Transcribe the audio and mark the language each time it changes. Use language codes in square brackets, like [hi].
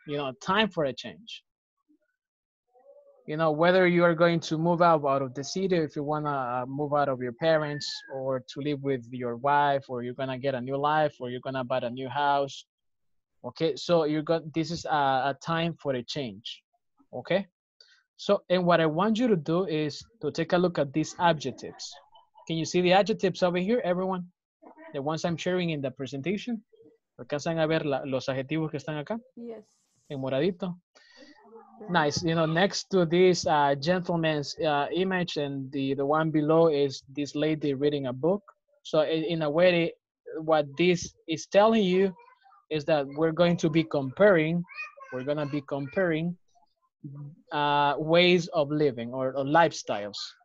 [en] You know, time for a change. You know, whether you are going to move out of the city, if you want to move out of your parents or to live with your wife, or you're going to get a new life, or you're going to buy a new house. Okay, so this is a time for a change. Okay, so, and what I want you to do is to take a look at these adjectives. Can you see the adjectives over here, everyone? The ones I'm sharing in the presentation? [es] ¿Alcanzan a ver los adjetivos que están acá? [en] Yes. [es] En moradito. [en] Nice. You know, next to this gentleman's image, and the one below is this lady reading a book. So in a way, what this is telling you is that we're going to be comparing ways of living or lifestyles.